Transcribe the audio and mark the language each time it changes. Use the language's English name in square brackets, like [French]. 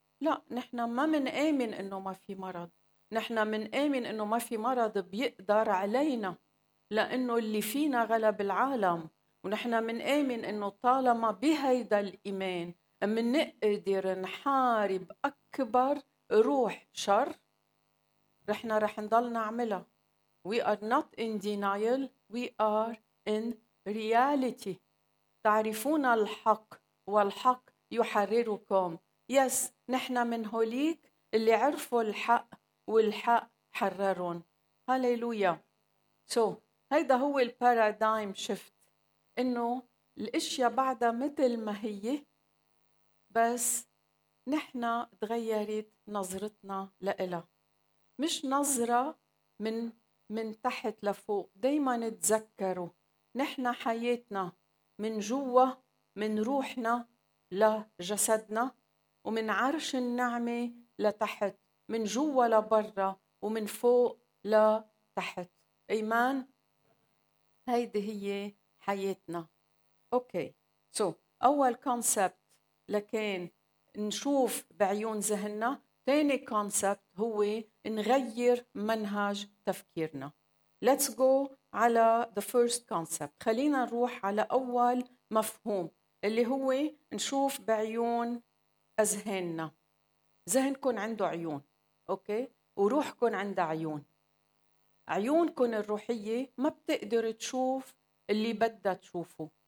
[Arabic] لا، نحنا ما منآمن إنه ما في مرض، نحنا منآمن إنه ما في مرض بيقدر علينا لأنه اللي فينا غلب العالم. ونحنا منآمن إنه طالما بهيدا الإيمان منقدر نحارب أكبر روح شر رحنا رح نضل نعملها. [English] We are not in denial, we are in reality. [Arabic] تعرفون الحق والحق يحرركم. يس، نحن من هوليك اللي عرفوا الحق والحق حررون. هاليلويا. So هيدا هو الباراديم شيفت، انه الاشياء بعدها مثل ما هي بس نحن تغيرت نظرتنا لإلها، مش نظرة من تحت لفوق. دايما تذكروا نحن حياتنا من جوا، من روحنا لجسدنا، ومن عرش النعمة لتحت، من جوا لبرا، ومن فوق لتحت. إيمان، هيدي هي حياتنا. أوكي، سو أول كونسبت لكن نشوف بعيون ذهننا، ثاني كونسبت هو نغير منهج تفكيرنا. [English] Let's go [Arabic] على [English] the first concept. [Arabic] خلينا نروح على أول مفهوم اللي هو نشوف بعيون أذهاننا. ذهنكن عنده عيون، أوكي؟ وروحكن عنده عيون. عيونكن الروحية ما بتقدر تشوف اللي بدها تشوفه.